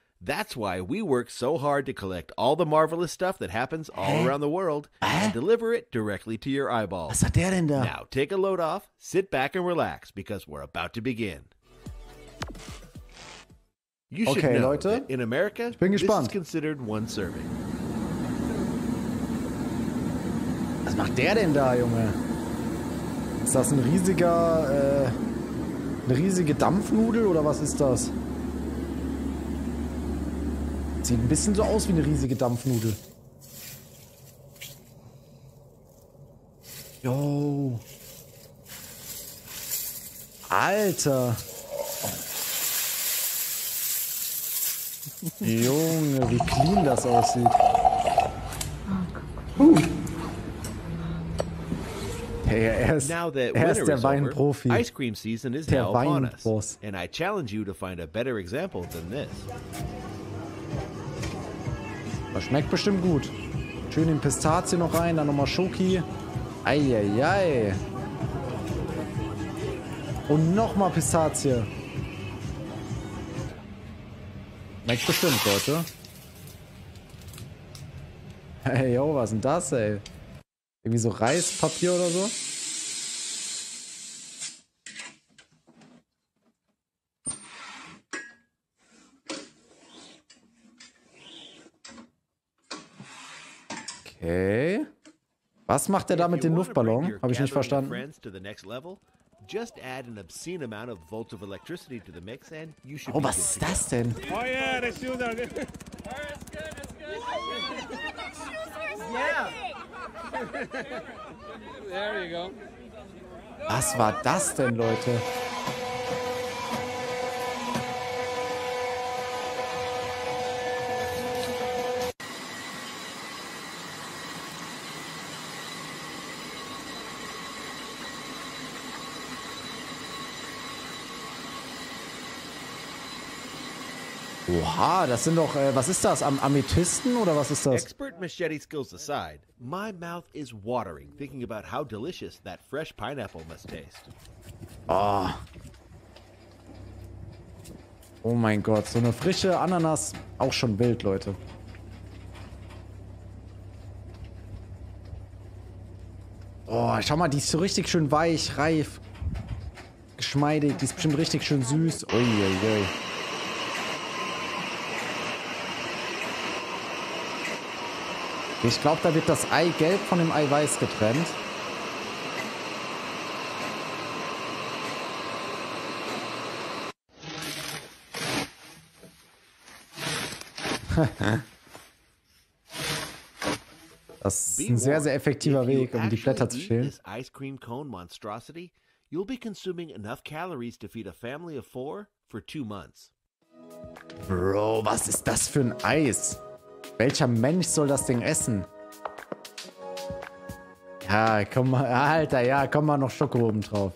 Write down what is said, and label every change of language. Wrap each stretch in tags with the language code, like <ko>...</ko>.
<en>That's why we work so hard to collect all the marvelous stuff that happens all around the world and deliver it directly to your eyeballs.</en> <de>Was hat der denn da?</de> <en>Now take a load off, sit back and relax, because we're about to begin. You should okay, know Leute. That in America,</en> <de>ich bin gespannt.</de> <en>This is considered one serving.</en> <de>Was macht der denn da, Junge? Ist das eine riesige Dampfnudel oder was ist das? Sieht ein bisschen so aus wie eine riesige Dampfnudel. Yo. Alter. Junge, wie clean das aussieht. Er ist der Weinprofi.</de> <en>Ice cream season is now upon us. And I challenge you to find a better example than this.</en> <de>Das schmeckt bestimmt gut. Schön in Pistazie noch rein, dann nochmal Schoki. Eieiei. Und nochmal Pistazie. Schmeckt bestimmt, Leute. Hey, yo, was denn das, ey? Irgendwie so Reispapier oder so? Okay. Was macht er da mit dem Luftballon? Habe ich nicht verstanden.</de> <en>Just add an obscene amount of volts of electricity to the mix and you should be good.</en> <de>Oh, was ist das denn?</de> <en>Oh yeah, the shoes are good. Yeah, the shoes are there you go.</en> <de>Was war das denn, Leute? Oha, das sind doch, was ist das, Amethysten oder was ist das?</de> <en>Expert machete skills aside, my mouth is watering, thinking about how delicious that fresh pineapple must taste. Oh.</en> <de>Oh mein Gott, so eine frische Ananas, auch schon wild, Leute. Oh, schau mal, die ist so richtig schön weich, reif, geschmeidig, die ist bestimmt richtig schön süß. Uiuiui. Ich glaube, da wird das Eigelb von dem Eiweiß getrennt. Das ist ein sehr, sehr effektiver Weg, um die Blätter zu schälen.</de> <en>This ice cream cone monstrosity, you'll be consuming enough calories to feed a family of four for 2 months.</en> <de>Bro, was ist das für ein Eis? Welcher Mensch soll das Ding essen? Ja, komm mal, Alter, ja, komm mal noch Schoko oben drauf.</de>